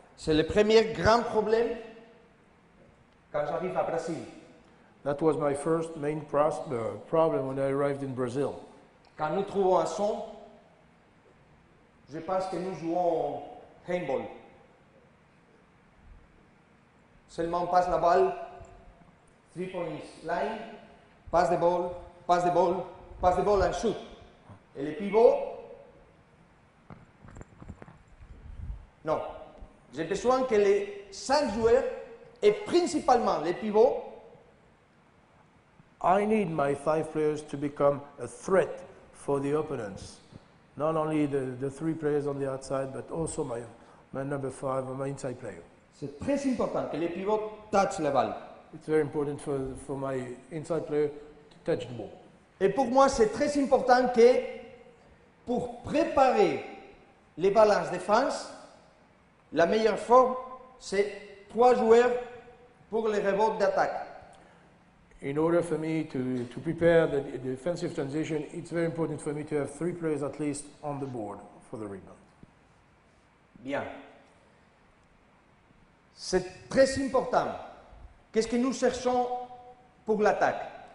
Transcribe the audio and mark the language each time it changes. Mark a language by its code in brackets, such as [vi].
[fr] C'est le premier grand problème quand j'arrive à Brésil. [en] That was my first main problem when I arrived in Brazil. [fr] Quand nous trouvons un son, je pense que nous jouons handball. Seulement passe la balle, [en] 3 points line, [fr] passe de balle [en] and shoot. [fr] Et le pivot, non. J'ai besoin que les 5 joueurs et principalement les pivots. [en] I need my 5 players to become a threat for the opponents. Not only the 3 players on the outside, but also my number 5 or my inside player. [fr] C'est très important que les pivots touchent la balle. [en] It's very important for my inside player to touch the ball. [fr] Et pour moi, c'est très important que pour préparer les balances défense, la meilleure forme, c'est 3 joueurs pour les rebonds d'attaque. [en] In order for me to prepare the defensive transition, it's very important for me to have 3 players at least on the board for the rebound. [fr] Bien. C'est très important. Qu'est-ce que nous cherchons pour l'attaque?